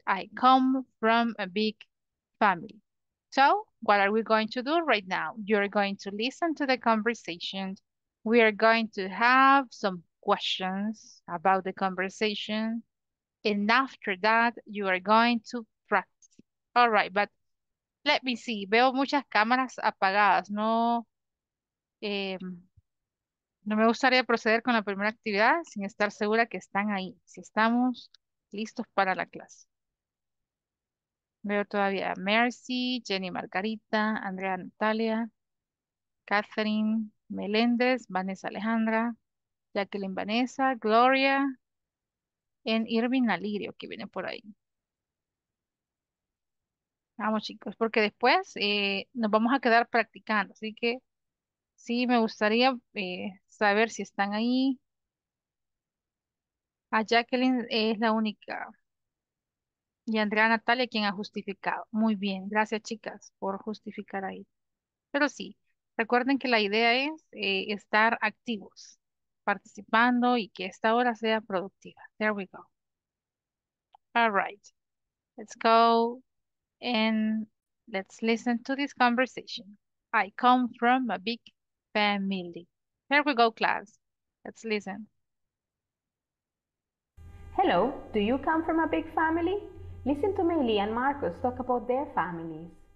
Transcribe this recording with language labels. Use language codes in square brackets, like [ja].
[en] I come from a big family. So what are we going to do right now? You're going to listen to the conversation. We are going to have some questions about the conversation. And after that, you are going to practice. All right, but let me see. [es] Veo muchas cámaras apagadas. No, no me gustaría proceder con la primera actividad sin estar segura que están ahí. Si estamos listos para la clase. Veo todavía a Mercy, Jenny Margarita, Andrea Natalia, Catherine Meléndez, Vanessa Alejandra, Jacqueline Vanessa, Gloria, y Irving Alirio, que viene por ahí. Vamos, chicos, porque después nos vamos a quedar practicando, así que sí me gustaría saber si están ahí. A Jacqueline es la única. Y Andrea Natalia, quien ha justificado. Muy bien, gracias chicas por justificar ahí. Pero sí, recuerden que la idea es estar activos, participando y que esta hora sea productiva. [en] There we go. All right, let's go and let's listen to this conversation. I come from a big family. There we go, class. Let's listen. Hello, do you come from a big family? Listen to Meili and Marcos talk about their families.